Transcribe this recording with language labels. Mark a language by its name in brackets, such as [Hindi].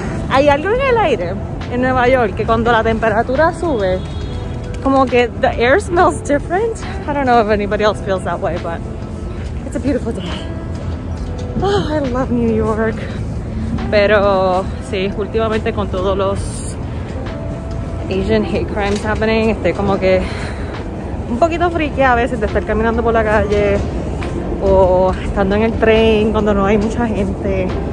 [Spanish] Hay algo en el aire en Nueva York que cuando la temperatura sube como que [English] the air smells different. I don't know if anybody else feels that way, but it's a beautiful day. Oh, I love New York. [Spanish] Pero sí, últimamente con todos los [English] Asian hate crimes happening, [Spanish] estoy como que un poquito friki a veces de estar caminando por la calle o estando en el tren cuando no hay mucha gente.